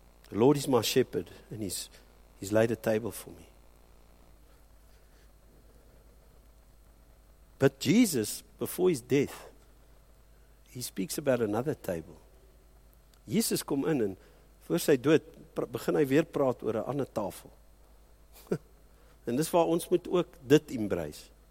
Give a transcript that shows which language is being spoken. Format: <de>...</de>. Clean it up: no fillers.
<en>The Lord is my shepherd, and He's laid a table for me. But Jesus, before His death, He speaks about another table.</en> <af>Jesus kom in en voor sy dood begin hy weer praat oor 'n ander tafel. En dis waar ons moet ook dit embrace.</af>